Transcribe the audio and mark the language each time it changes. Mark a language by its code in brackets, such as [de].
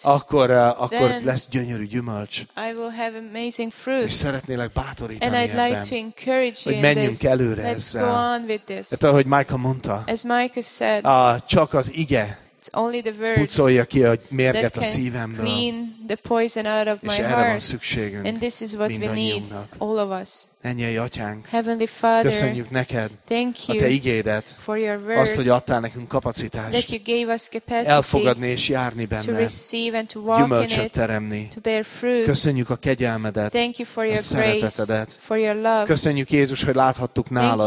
[hu] akkor lesz gyönyörű gyümölcs. [en] I will have amazing fruit. [hu] És szeretnélek bátorítani [en] and [hu] ebben. [en] And I'd like to encourage you. [hu] Hogy menjünk előre [en] let's [hu] ezzel. [en] Go on with this. [hu] Hát, ahogy Micah mondta. [en] As Micah said. [hu] Csak az ige. [en] It's only the word [hu] pucolja ki a mérget a szívemből. [en] Clean the poison out of my [hu] és [en] heart. [hu] És erre van szükségünk. [en] And this is what we need, all of us. [hu] Ennyi, Atyánk. [en] Heavenly Father, [hu] köszönjük neked [en] thank you [hu] a te igédet, [en] for your word, [hu] azt, hogy adtál nekünk kapacitást, [en] that you gave us capacity [hu] elfogadni és járni benne, [en] to receive and to walk [hu] gyümölcsöt [en] in it, [hu] teremni. [en] To bear fruit. [hu] Köszönjük a kegyelmedet, [en] thank you for your [hu] a szeretetedet. [en] Grace, for your love. [hu] Köszönjük, Jézus, hogy láthattuk nálad,